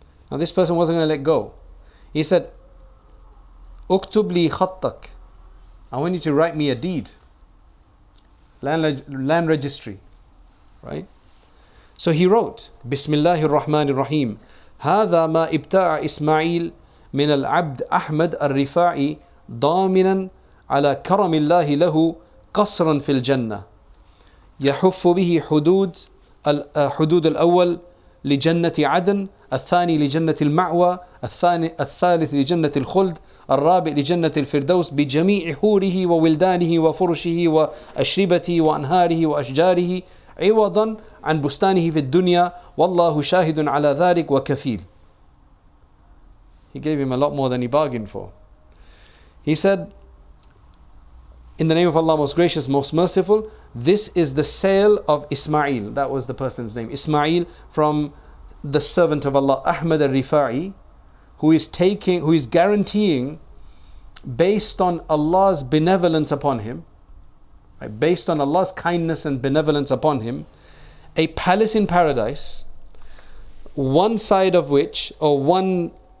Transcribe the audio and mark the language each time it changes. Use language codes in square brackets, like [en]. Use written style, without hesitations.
[en] Now this person wasn't going to let go. He said, [ar] uktub li khattak. [en] I want you to write me a deed. Land registry. Right? So he wrote, Bismillahir Rahmanir Rahim. [ar] هذا ما ابتاع إسماعيل من العبد أحمد الرفاعي ضامنا على كرم الله له قصرا في الجنة يحف به حدود الأول لجنة عدن الثاني لجنة المعوى الثالث لجنة الخلد الرابع لجنة الفردوس بجميع حوره وولدانه وفرشه وأشربته وأنهاره وأشجاره عوضا عن بستانه في الدنيا والله شاهد على ذلك وكفيل. [en] He gave him a lot more than he bargained for. He said, in the name of Allah, most gracious, most merciful, this is the sale of Ismail. That was the person's name, Ismail, from the servant of Allah, Ahmad al-Rifa'i, who is guaranteeing, based on Allah's benevolence upon him, right, based on Allah's kindness and benevolence upon him, a palace in paradise, one side of which, or one